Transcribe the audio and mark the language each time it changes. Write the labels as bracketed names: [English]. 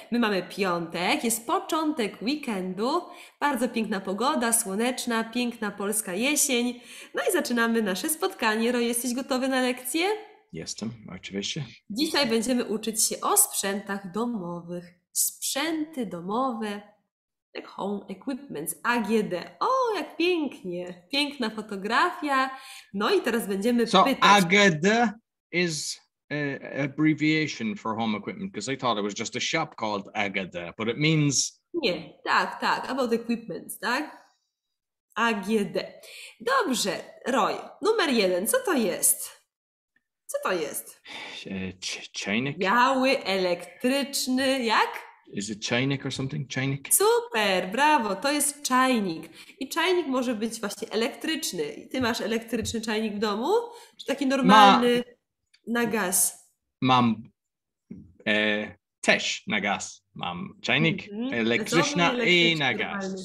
[Polish] My mamy piątek, jest początek weekendu. Bardzo piękna pogoda, słoneczna, piękna polska jesień. No i zaczynamy nasze spotkanie. Roy, jesteś gotowy na lekcję? Jestem, oczywiście. Dzisiaj będziemy uczyć się o sprzętach domowych. Sprzęty domowe. [English] Like home equipment, AGD. [Polish] O, jak pięknie. Piękna fotografia. No i teraz będziemy pytać. [English] So AGD is abbreviation for home equipment, because I thought it was just a shop called AGD, but it means... [Polish] Nie, tak, tak, [English] about equipment, [Polish] tak? AGD. Dobrze, Roy, numer jeden, co to jest? Co to jest? Czajnik. Biały, elektryczny, jak? [English] Is it czajnik or something? [Polish] Czajnik? Super, brawo, to jest czajnik. I czajnik może być właśnie elektryczny. Ty masz elektryczny czajnik w domu? Czy taki normalny na gaz? Mam też na gaz. Mam czajnik elektryczny i na gaz.